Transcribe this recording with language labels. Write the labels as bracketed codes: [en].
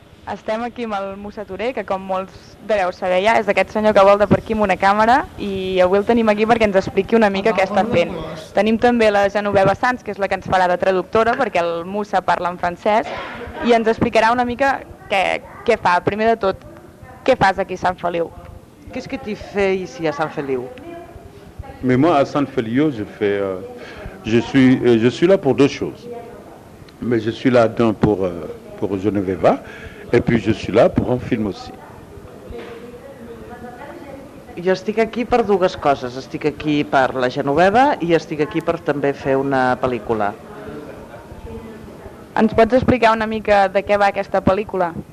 [ca] Estem aquí amb el Musa Touré, que com molts deveu saber ja, és aquest senyor que volta per aquí amb una càmera i avui el tenim aquí perquè ens expliqui una mica què està fent. Tenim també la Genoveva Sans, que és la que ens farà de traductora perquè el Musa parla en francès i ens explicarà una mica què fa. Primer de tot, què fas aquí a Sant Feliu? [fr] Què és que t'hi fais ici a Sant Feliu? Mais moi à Sant Feliu je fais je suis là pour deux choses. Mais je suis là d'un pour Genoveva et puis je suis là pour un film aussi. [ca] Jo estic aquí per dues coses, estic aquí per la Genoveva i estic aquí per també fer una pel·lícula. Ens pots explicar una mica de què va aquesta pel·lícula?